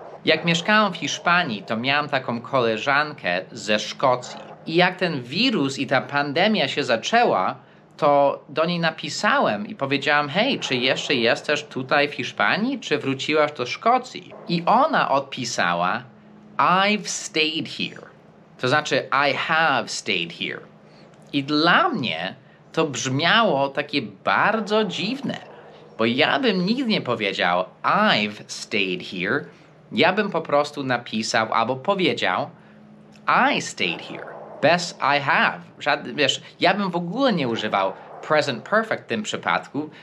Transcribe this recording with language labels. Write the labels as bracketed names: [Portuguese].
[Polish] Jak mieszkałem w Hiszpanii, to miałam taką koleżankę ze Szkocji. I jak ten wirus i ta pandemia się zaczęła, to do niej napisałem i powiedziałam, hej, czy jeszcze jesteś tutaj w Hiszpanii, czy wróciłaś do Szkocji? I ona odpisała, [English] I've stayed here. [Polish] To znaczy, [English] I have stayed here. [Polish] I dla mnie to brzmiało takie bardzo dziwne, bo ja bym nigdy nie powiedział [English] I've stayed here. [Polish] Ja bym po prostu napisał albo powiedział [English] I stayed here. [Polish] Bez I have. Wiesz, ja bym w ogóle nie używał present perfect w tym przypadku.